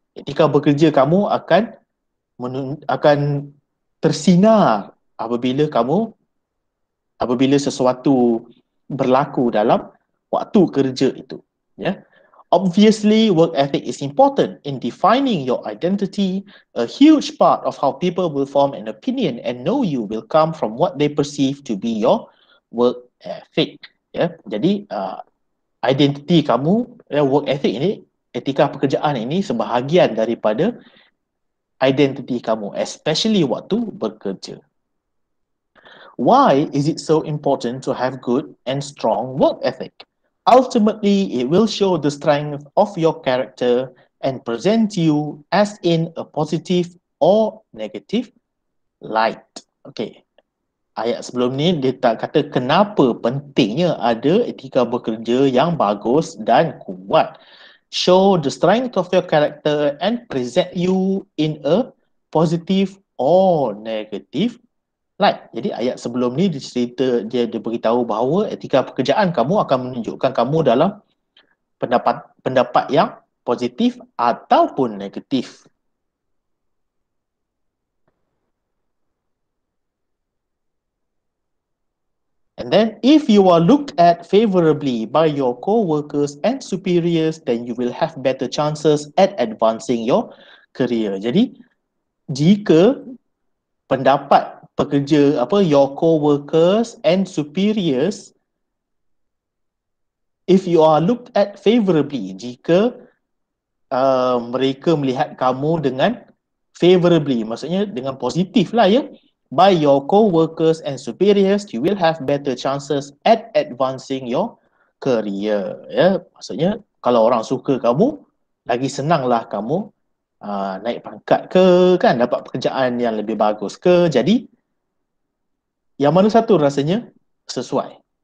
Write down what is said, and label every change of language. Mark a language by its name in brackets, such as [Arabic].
[Malay] Etika bekerja kamu akan tersinar apabila sesuatu berlaku dalam waktu kerja itu. Yeah. [English] Obviously, work ethic is important in defining your identity. A huge part of how people will form an opinion and know you will come from what they perceive to be your work ethic. [Malay] Yeah. Jadi, identity kamu, yeah, work ethic ini, etika pekerjaan ini sebahagian daripada identiti kamu, especially waktu bekerja. [English] Why is it so important to have good and strong work ethic? Ultimately, it will show the strength of your character and present you as in a positive or negative light. Okay. [Malay] Ayat sebelum ni dia tak kata kenapa pentingnya ada etika bekerja yang bagus dan kuat. [English] Show the strength of your character and present you in a positive or negative light. [Malay] Jadi ayat sebelum ni dia beritahu bahawa etika pekerjaan kamu akan menunjukkan kamu dalam pendapat yang positif ataupun negatif. [English] And then, if you are looked at favorably by your co-workers and superiors, then you will have better chances at advancing your career. [Malay] Jadi, jika pendapat pekerja, [English] your co-workers and superiors, if you are looked at favorably, [Malay] jika mereka melihat kamu dengan favorably, maksudnya dengan positif lah ya, [English] by your co-workers and superiors, you will have better chances at advancing your career. [Malay] Ya, maksudnya kalau orang suka kamu, lagi senanglah kamu naik pangkat ke, kan dapat pekerjaan yang lebih bagus ke. Jadi yang mana satu rasanya sesuai?